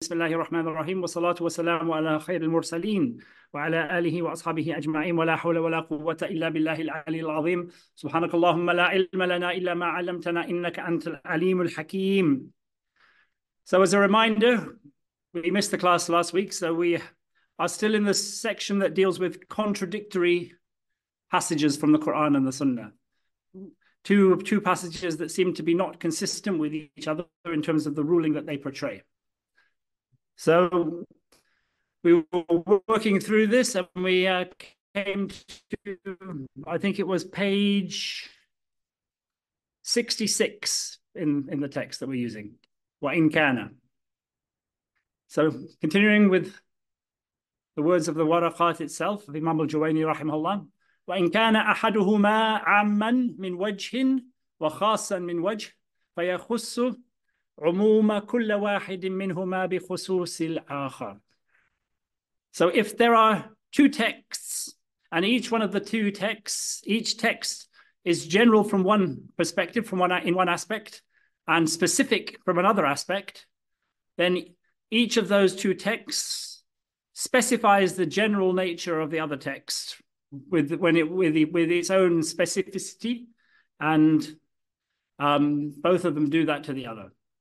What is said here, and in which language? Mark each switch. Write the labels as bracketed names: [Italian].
[Arabic] بسم الله الرحمن الرحيم، والصلاة والسلام على خير المرسلين وعلى آله وأصحابه أجمعين. ولا حول ولا قوة إلا بالله العلي العظيم. سبحانك اللهم لا علم لنا إلا ما علمتنا إنك أنت العليم الحكيم. [English] So as a reminder, we missed the class last week, so we are still in the section that deals with contradictory passages from the Quran and the Sunnah. Two passages that seem to be not consistent with each other in terms of the ruling that they portray. So we were working through this and we came to, I think it was page 66 in the text that we're using, [Arabic] وَإِنْ كَانَ. [English] So continuing with the words of the Waraqat itself, of Imam al-Juwayni rahimahullah, [Arabic] وَإِنْ كَانَ أَحَدُهُمَا عَمًّا مِنْ وَجْهٍ وَخَاصًا مِنْ وَجْهٍ فَيَخُصُّ عُمُومَ كُلَّ وَاحِدٍ مِّنْهُمَا بِخُصُوصِ الْآخَرِ. [English] So if there are two texts, and each one of the two texts, each text is general from one perspective, in one aspect, and specific from another aspect, then each of those two texts specifies the general nature of the other text with its own specificity, and both of them do that to the other.